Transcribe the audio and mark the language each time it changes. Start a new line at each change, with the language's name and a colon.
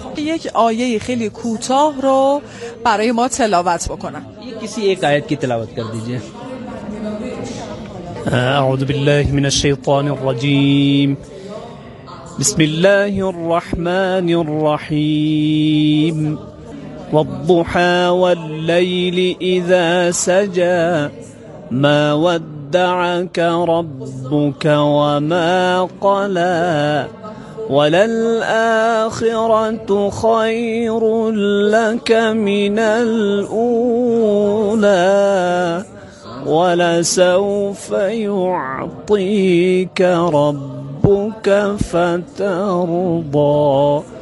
Persian: یک آیه خیلی کوتاه رو برای ما تلاوت بکنن.
Urdu: کسی ایک آیت کی تلاوت کر دیجیے.
Arabic: اعوذ باللہ من الشیطان الرجیم, بسم اللہ الرحمن الرحیم, والضحى والليل إذا سجى, ما ودعك ربك وما قلى, وللآخرة خير لك من الأولى, ولسوف يعطيك ربك فترضى.